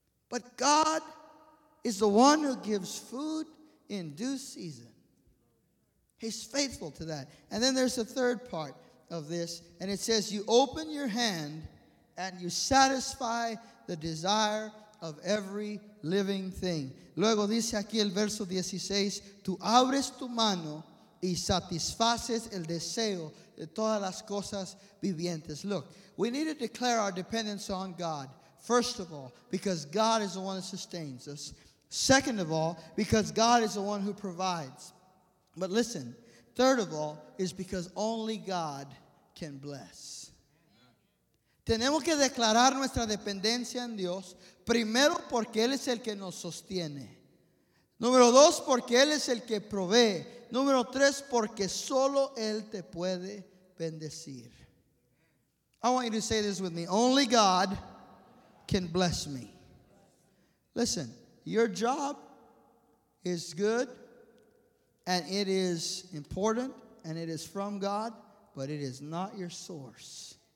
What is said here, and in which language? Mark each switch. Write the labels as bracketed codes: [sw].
[en] But God is the one who gives food in due season. He's faithful to that. And then there's a third part of this, and it says, you open your hand and you satisfy the desire of every living thing. [es] Luego dice aquí el verso 16, tú abres tu mano y satisfaces el deseo de todas las cosas vivientes. [en] Look, we need to declare our dependence on God, first of all, because God is the one who sustains us. Second of all, because God is the one who provides. But listen, third of all, is because only God can bless. [es] Tenemos que declarar nuestra dependencia en Dios, primero porque Él es el que nos sostiene. Número dos, porque Él es el que provee. Número tres, porque solo Él te puede bendecir. [en] I want you to say this with me. Only God can bless me. Listen, your job is good and it is important and it is from God, but it is not your source.